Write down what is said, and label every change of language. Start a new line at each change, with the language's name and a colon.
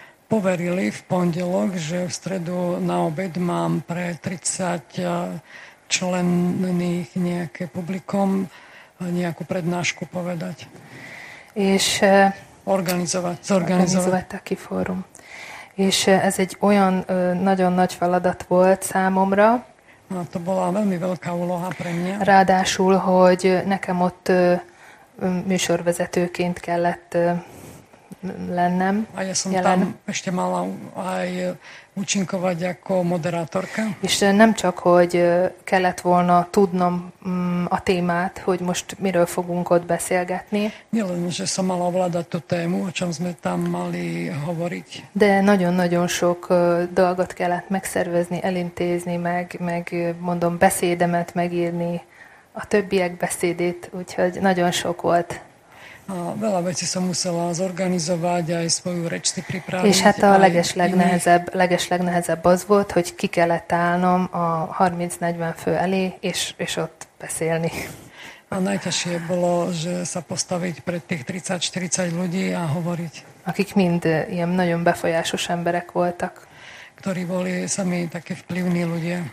Slovak: Poverili v pondelok, že v stredu na obed mám pre 30 členných nejaké publikum nejakú prednášku povedať.
Hungarian: És
Slovak: organizovať taký fórum.
Hungarian: És ez egy olyan nagyon nagy feladat volt számomra.
Slovak: A to bola veľmi veľká úloha pre mňa.
Hungarian: Ráadásul, hogy nekem ott műsorvezetőként kellett lennem. A ja som jelen.
Slovak: Tam ešte mala aj účinkovať ako moderátorka.
Hungarian: És nem csak, hogy kellett volna tudnom a témát, hogy most miről fogunk ott beszélgetni.
Slovak: Nielen, že som mala ovládať tú tému, o čom sme tam mali hovoriť.
Hungarian: De nagyon-nagyon sok dolgot kellett megszervezni, elintézni, meg mondom, beszédemet megírni, a többiek beszédét, úgyhogy nagyon sok volt.
Slovak: A veľa vecí som musela zorganizovať, aj svoju reč si pripraviť.
Hungarian: És hát a legeslegnehezebb az volt, hogy ki kellett állnom a 30-40 fő elé, és ott beszélni.
Slovak: A najťažšie bolo, že sa postaviť pred tých 30-40 ľudí a hovoriť.
Hungarian: Akik mind ilyen nagyon befolyásos emberek voltak.
Slovak: Ktorí boli sami také vplyvní ľudia.